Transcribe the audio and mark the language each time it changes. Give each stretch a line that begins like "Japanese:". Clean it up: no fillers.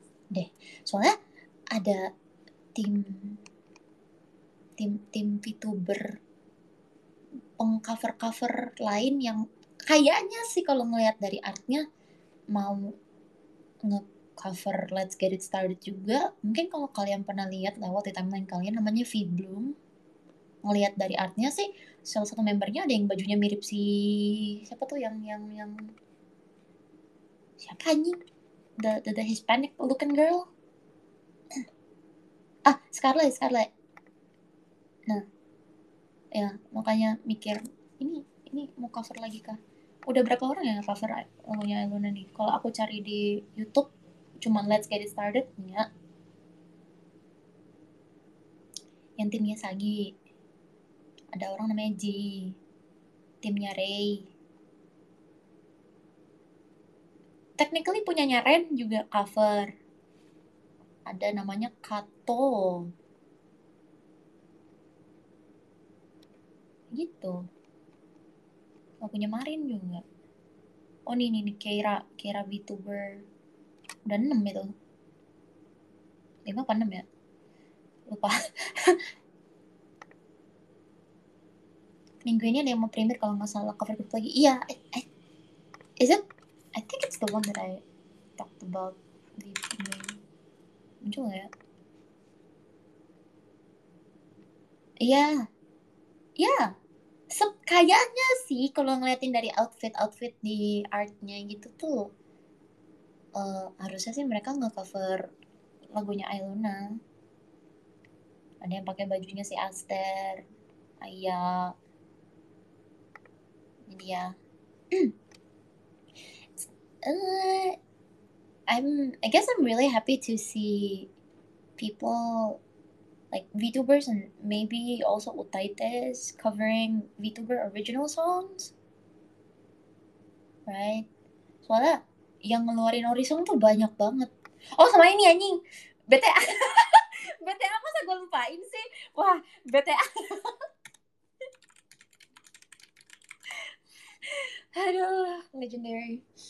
Indonesian: Deh, soalnya ada tim VTuber pengcover-cover lain yang kayaknya sih kalau ngelihat dari artnya mau nge-cover Let's Get It Started juga. Mungkin kalau kalian pernah lihat lewat di timeline kalian namanya V Bloom. Ngelihat dari artnya sih salah satu membernya ada yang bajunya mirip si siapa tuh yang siapa anjing?
English: The Hispanic looking girl.
Indonesian: Ah, Scarlett, Scarlett. Nah. Ya, makanya mikir ini mau cover lagi kah? Udah berapa orang yang cover lagunya Luna nih? Kalau aku cari di YouTube cuman Let's Get It Started ya. Yang timnya Sagi. Ada orang namanya Ji. Timnya Ray. Technically punyanya Ren juga cover. Ada namanya Kato. Gitu. Oh, punya Marin juga. Oh, ini Keira. Keira VTuber. Udah 6 itu. 5 apa 6 ya? Lupa. Minggu ini ada yang mau premier kalau nggak salah cover group lagi. Iya.
English: Is it? I think it's the one that I talked about.
Indonesian: Muncul nggak ya? Iya. Iya. Kayaknya sih kalau ngeliatin dari outfit-outfit di artnya gitu tuh. Harusnya sih mereka nge-cover lagunya Ailuna. Ada yang pakai bajunya si Aster. Aya. Ini ya.
English: I guess I'm really happy to see people like VTubers and maybe also Utaites covering VTuber original songs. Right?
Indonesian: Soalnya yang ngeluarin orisong tuh banyak banget. Oh, sama ini anjing. BTA. BTA masa gue lupain sih? Wah, BTA. Aduh, legendary.